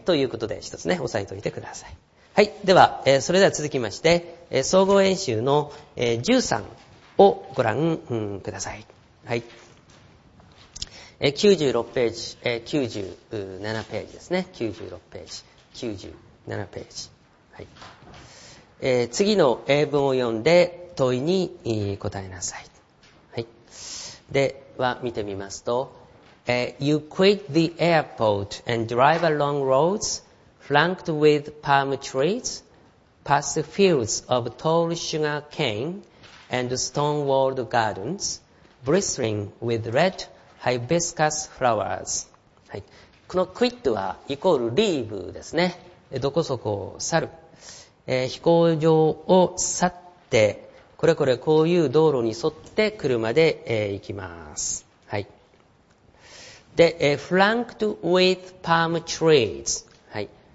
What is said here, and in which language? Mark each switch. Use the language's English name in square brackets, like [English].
[Japanese] ということで、一つね、押さえておいてください。はい。では、それでは続きまして、総合演習の、13をご覧、ください。はい。96ページ、97ページですね。 96ページ、97ページ。はい。次の英文を読んで問いに答えなさい。はい。では、見てみますと、 [English] You quit the airport and drive along roads flanked with palm trees, past fields of tall sugar cane and stone-walled gardens, bristling with redhibiscus flowers. [Japanese] はい。この quit はイコール leave ですね。どこそこを去る、飛行場を去って、これこれこういう道路に沿って車で、行きます。 [English] はい。で、flanked with palm trees. はい。